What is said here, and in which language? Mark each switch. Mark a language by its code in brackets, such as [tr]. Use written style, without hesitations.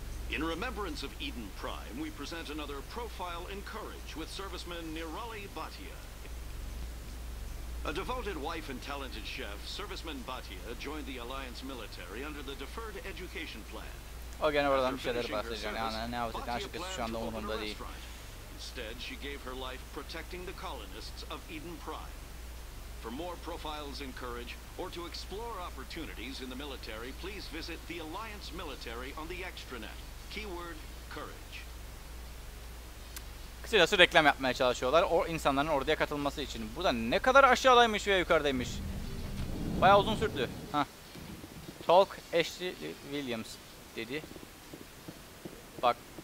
[en] In remembrance of Eden Prime, we present another profile in courage with serviceman Nirali Bhatia. A devoted wife and talented chef, serviceman Bhatia joined the Alliance military under the deferred education plan. [tr] O gene oradan bir şeyler bahsedeceğim. Yani ne yapacak? Açıkçası şu anda umurumda değil. [en] Instead, she gave her life protecting the colonists of Eden Prime. For more profiles in courage or to explore opportunities in the military, please visit the Alliance military on the extranet. Keyword courage. [tr] Kısacası reklam yapmaya çalışıyorlar o insanların orduya katılması için. Bu da ne kadar aşağıdaymış veya yukarıdaymış. Bayağı uzun sürdü. Ha. Talk Ashley Williams dedi. Bak.